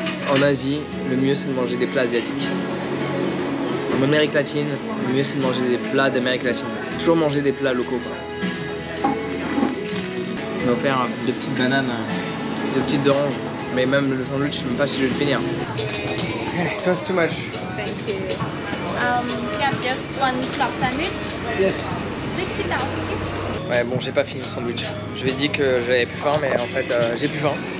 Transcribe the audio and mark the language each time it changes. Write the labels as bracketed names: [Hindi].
[French] en Asie, le mieux c'est de manger des plats asiatiques. En Amérique latine, le mieux c'est de manger des plats d'Amérique latine. Toujours manger des plats locaux, quoi. Il m'a offert deux petites bananes, deux petites oranges. Mais même le sandwich, je sais même pas si je vais le finir. Toi, c'est too much. [English] Thank you. Can I just one club sandwich? Yes. [French] C'est qu'il a aussi. Ouais, bon, j'ai pas fini le sandwich. Je lui ai dit que j'avais plus faim, mais en fait, j'ai plus faim.